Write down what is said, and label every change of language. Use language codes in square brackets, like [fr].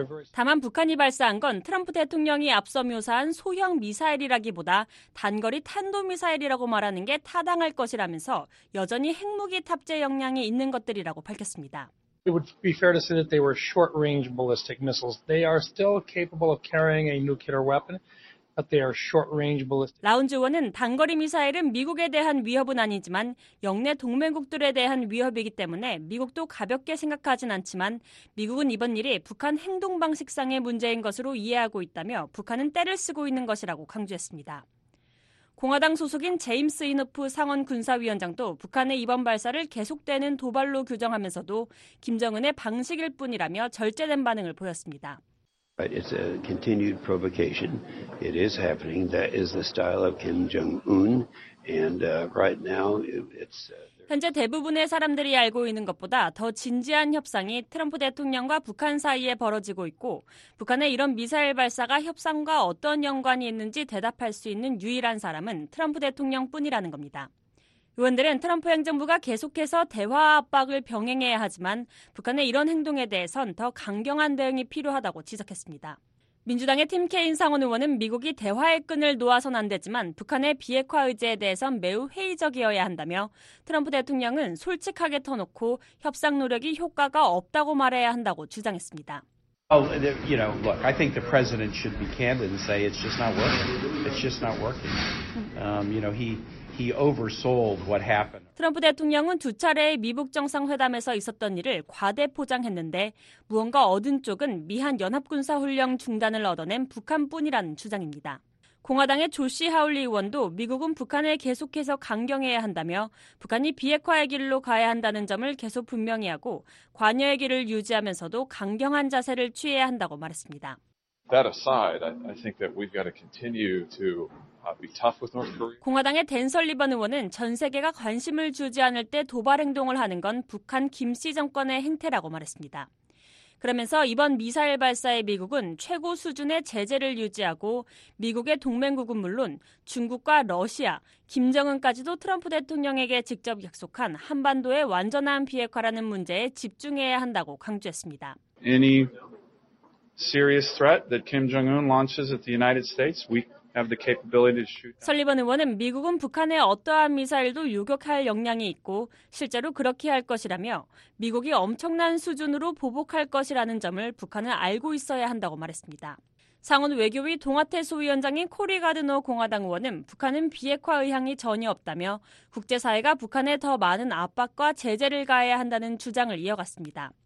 [ko] 다만 북한이 발사한 건 트럼프 대통령이 앞서 묘사한 소형 미사일이라기보다 단거리 탄도미사일이라고 말하는 게 타당할 것이라면서 여전히 핵무기 탑재 역량이 있는 것들이라고 밝혔습니다. [en] it would be fair to say that they were short-range ballistic missiles. They are still capable of carrying a nuclear weapon, but they are short-range ballistic. [ko] 라운즈원은 단거리 미사일은 미국에 대한 위협은 아니지만 영내 동맹국들에 대한 위협이기 때문에 미국도 가볍게 생각하진 않지만 미국은 이번 일이 북한 행동 방식상의 문제인 것으로 이해하고 있다며 북한은 때를 쓰고 있는 것이라고 강조했습니다. 공화당 소속인 제임스 이너프 상원 군사위원장도 북한의 이번 발사를 계속되는 도발로 규정하면서도 김정은의 방식일 뿐이라며 절제된 반응을 보였습니다. [en] It's a continued provocation. It is happening. That is the style of Kim Jong-un. And right now, it's... [ko] 현재 대부분의 사람들이 알고 있는 것보다 더 진지한 협상이 트럼프 대통령과 북한 사이에 벌어지고 있고 북한의 이런 미사일 발사가 협상과 어떤 연관이 있는지 대답할 수 있는 유일한 사람은 트럼프 대통령뿐이라는 겁니다. 의원들은 트럼프 행정부가 계속해서 대화 압박을 병행해야 하지만 북한의 이런 행동에 대해선 더 강경한 대응이 필요하다고 지적했습니다. 민주당의 팀 케인 상원 의원은 미국이 대화의 끈을 놓아선 안 되지만 북한의 비핵화 의제에 대해선 매우 회의적이어야 한다며 트럼프 대통령은 솔직하게 터놓고 협상 노력이 효과가 없다고 말해야 한다고 주장했습니다. [en] Oh, you know, look, I think the president should be candid and say it's just not working. It's just not working. You know, he oversold what happened. [ko] 트럼프 대통령은 두 차례의 미북 정상회담에서 있었던 일을 과대포장했는데 무언가 얻은 쪽은 미한 연합군사훈련 중단을 얻어낸 북한뿐이라는 주장입니다. 공화당의 조시 하울리 의원도 미국은 북한을 계속해서 강경해야 한다며 북한이 비핵화의 길로 가야 한다는 점을 계속 분명히 하고 관여의 길을 유지하면서도 강경한 자세를 취해야 한다고 말했습니다. [en] That aside, I think that we've got to continue to be tough with North Korea. [ko] 공화당의 댄 설리번 의원은 전 세계가 관심을 주지 않을 때 도발 행동을 하는 건 북한 김씨 정권의 행태라고 말했습니다. 그러면서 이번 미사일 발사에 미국은 최고 수준의 제재를 유지하고 미국의 동맹국은 물론 중국과 러시아, 김정은까지도 트럼프 대통령에게 직접 약속한 한반도의 완전한 비핵화라는 문제에 집중해야 한다고 강조했습니다. [en] Any serious threat that Kim Jong-un launches at the United States, we have the capability to shoot. [ko] 설리번 의원은 미국은 북한의 어떠한 미사일도 요격할 역량이 있고 실제로 그렇게 할 것이라며 미국이 엄청난 수준으로 보복할 것이라는 점을 북한은 알고 있어야 한다고 말했습니다. 상원 외교위 동아태 소위원장인 코리 가드너 공화당 의원은 북한은 비핵화 의향이 전혀 없다며 국제사회가 북한에 더 많은 압박과 제재를 가해야 한다는 주장을 이어갔습니다.